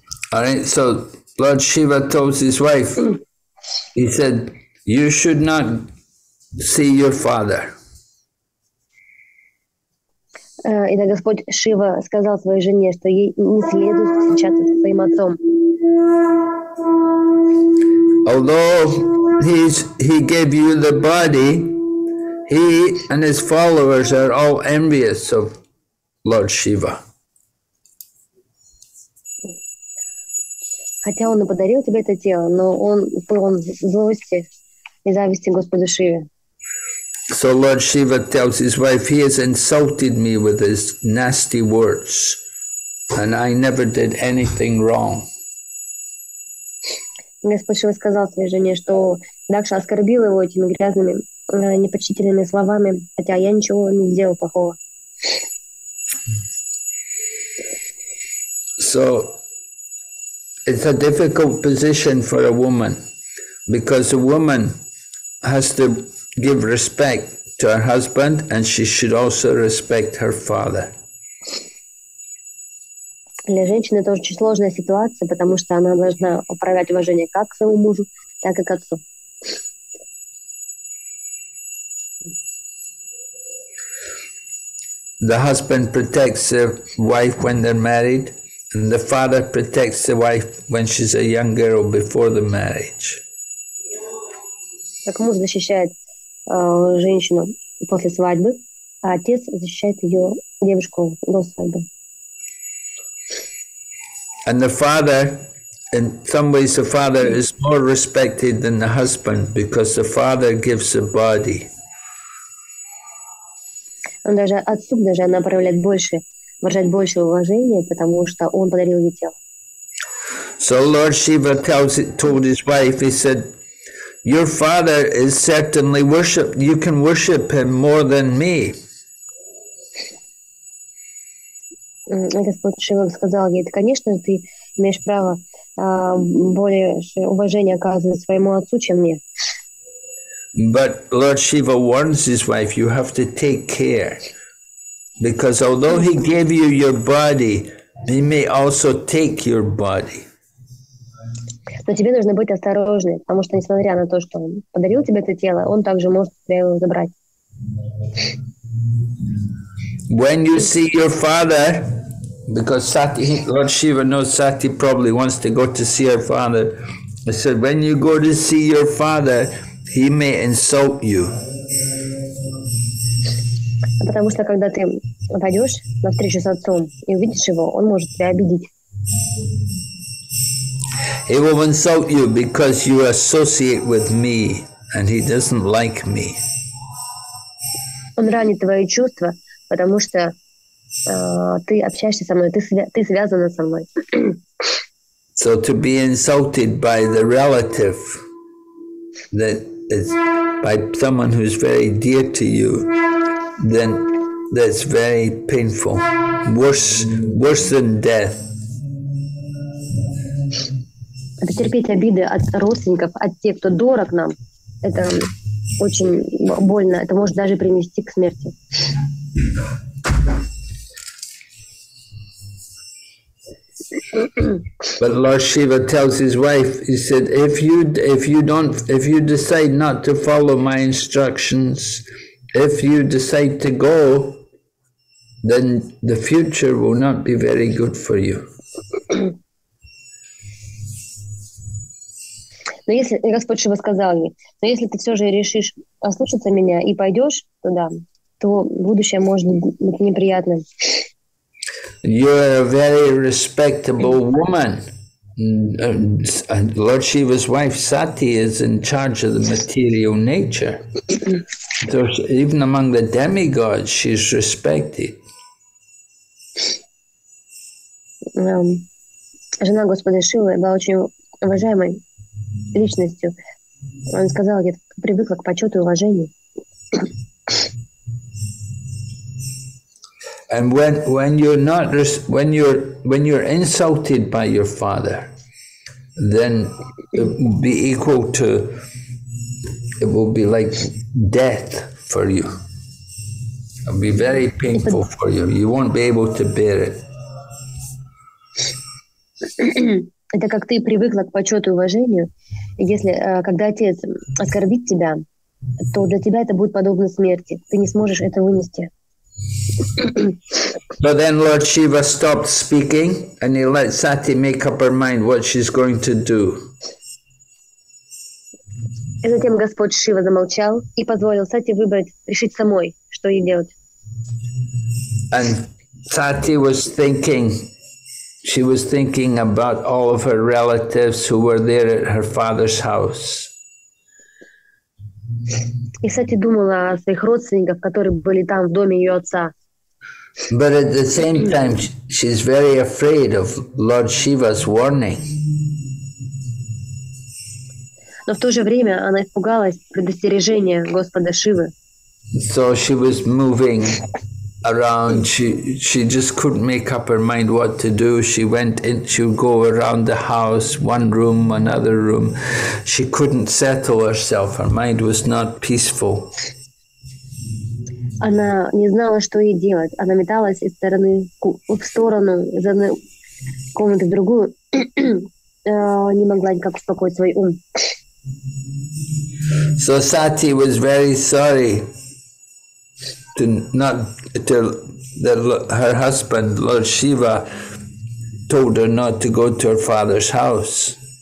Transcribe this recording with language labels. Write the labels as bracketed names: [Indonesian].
[English] All right, so Lord Shiva told his wife, he said, you should not see your father. [Russian] Итак, Господь Шива сказал своей жене, что ей не следует встречаться со своим отцом. [English] Although he gave you the body, he and his followers are all envious of Lord Shiva. [Russian] Хотя он и подарил тебе это тело, но он полон злости и зависти Господу Шиве. [English] So Lord Shiva tells his wife, he has insulted me with his nasty words, and I never did anything wrong. [Russian] Господь Шива сказал своей жене, что Дакша оскорбил его этими грязными, непочтительными словами, хотя я ничего не сделал плохого. [English] So it's a difficult position for a woman, because a woman has to give respect to her husband, and she should also respect her father. [Russian] Для женщины это очень сложная ситуация, потому что она должна управлять уважение как к своему мужу, так и к отцу. [English] The husband protects the wife when they're married. And the father protects the wife when she's a young girl before the marriage. [Russian] Так муж защищает женщину после свадьбы, а отец защищает ее девушку до свадьбы. [English] And the father, in some ways, the father is more respected than the husband because the father gives the body. [Russian] Он даже отцу даже она проявляет больше. Выражать больше уважения, потому что он подарил ей тело. [English] So Lord Shiva told his wife, he said, your father is certainly worshipped, you can worship him more than me. [Russian] Господь Шива сказал ей, конечно, ты имеешь право больше уважения оказывать своему отцу, чем мне. [English] But Lord Shiva warns his wife, you have to take care. Because although he gave you your body, he may also take your body. [Russian] Но тебе нужно быть осторожной, потому что несмотря на то, что он подарил тебе это тело, он также может тебя его забрать. [English] When you see your father, because Lord Shiva knows Sati probably wants to go to see her father, I said, when you go to see your father, he may insult you. [Russian] Потому что когда ты пойдешь на встречу с отцом и увидишь его, он может тебя обидеть. [English] He will insult you because you associate with me, and he doesn't like me. [Russian] Он ранит твои чувства, потому что ты общаешься со мной, ты связана со мной. [English] So to be insulted by the relative that is by someone who is very dear to you, then that's very painful, worse than death. [Russian] Терпеть обиды от родственников, от тех, кто дорог нам, это очень больно, это может даже привести к смерти. [English] But Lord Shiva tells his wife, he said, if you decide not to follow my instructions, if you decide to go, then the future will not be very good for you. [Russian] Но если Господь Шива сказал мне, но если ты все же решишь ослушаться меня и пойдешь туда, то будущее может быть неприятным. [English] You are a very respectable woman. Lord Shiva's wife Sati is in charge of the material nature. So even among the demigods, she's respected. [Russian] Жена Господа Шивы была очень уважаемой личностью. Он сказал, я привыкла к почету и уважению. [English] And when you're not when you're insulted by your father, then it will be equal to, it will be like death for you. It'll be very painful for you. You won't be able to bear it. [Russian] Это как ты привыкла к почету и уважению. Если когда отец оскорбит тебя, то для тебя это будет подобно смерти. Ты не сможешь это вынести. [English] But then Lord Shiva stopped speaking and he let Sati make up her mind what she's going to do. [Russian] И затем Господь Шива замолчал и позволил Сати выбрать, решить самой, что ей делать. [English] And Sati was thinking, she was thinking about all of her relatives who were there at her father's house. [Russian] И Сати думала о своих родственниках, которые были там в доме ее отца. [English] But at the same time, she's very afraid of Lord Shiva's warning. [Russian] Но в то же время она испугалась предостережения Господа Шивы. [English] So she was moving around. She just couldn't make up her mind what to do. She went in, she would go around the house, one room, another room. She couldn't settle herself. Her mind was not peaceful. [Russian] Она не знала, что ей делать. Она металась из стороны в сторону, из одной комнаты в другую. Не могла никак успокоить свой ум. [English] So Sati was very sorry to not to the, her husband Lord Shiva told her not to go to her father's house.